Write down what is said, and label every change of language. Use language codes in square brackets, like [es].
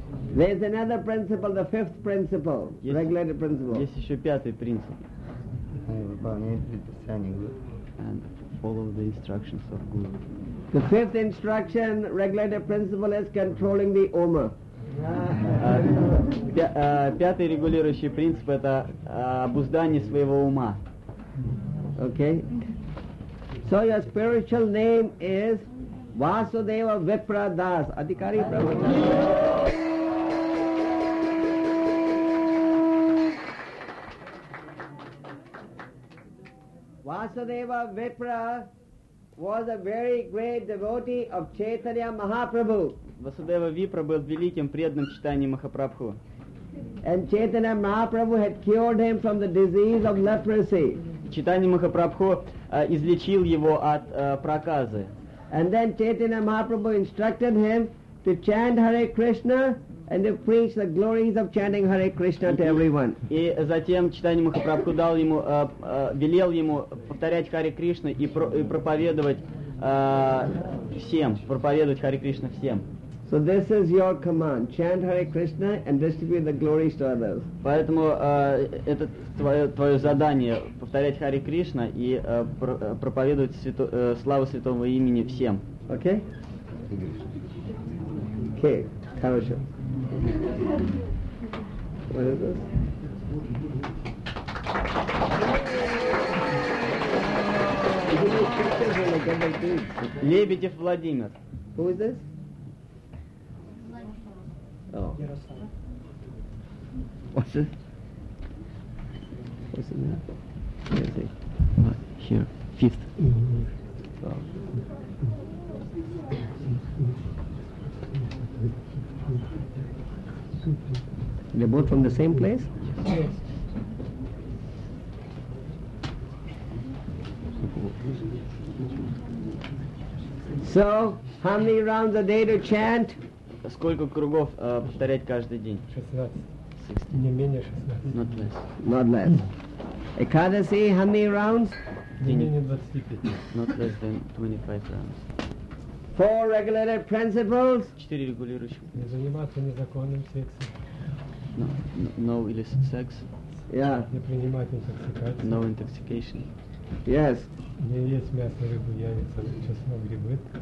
[en] There's another principle, the fifth principle, regulated principle. [ru] Есть еще пятый принцип. [en] And follow the instructions of guru. The fifth instruction, regulated principle, is controlling the omer. [ru] Пятый регулирующий принцип — это обуздание своего ума. [en] Okay. So your spiritual name is Vasudeva Vipra Das Adhikari Prabhupada. Vasudeva Vipra was a very great devotee of Chaitanya Mahaprabhu. [ru] Vasudeva Vipra был великим преданным Чайтанья Махапрабху. [en] And Chaitanya Mahaprabhu had cured him from the disease of leprosy. [ru] Чайтанья Махапрабху излечил его от проказы. [en] And then Chaitanya Mahaprabhu instructed him to chant Hare Krishna and to preach the glories of chanting Hare Krishna to everyone. [ru] И затем Чайтанья Махапрабху дал ему, велел ему повторять Харе Кришна и проповедовать Харе Кришна всем. [en] So this is your command: chant Hare Krishna and distribute the glories to others. [ru] Поэтому это твое задание — повторять Харе Кришна и проповедовать славу святого имени всем. [en] Okay. Okay. [ru] Хорошо. [en] What is this? [ru] Лебедев Владимир. [en] Who is this? Oh. What's it? What's it now? What is it? Here, fifth. Mm-hmm. Oh. They're both from the same place? Yes. So, how many rounds a day to chant? [ru] Сколько кругов повторять каждый день? 16. Не менее 16. [en] Not less. Экадаси, how many rounds? [ru] Не менее 25. [en] Not less than 25 rounds. Four regulated principles. [ru] Четыре регулирующих. Не заниматься незаконным сексом. [en] No illicit sex. Yeah. [ru] Не принимать интоксикацию. [en] No intoxication. Yes. [ru] Не есть мясо, рыбу, яйца, чеснок, грибы.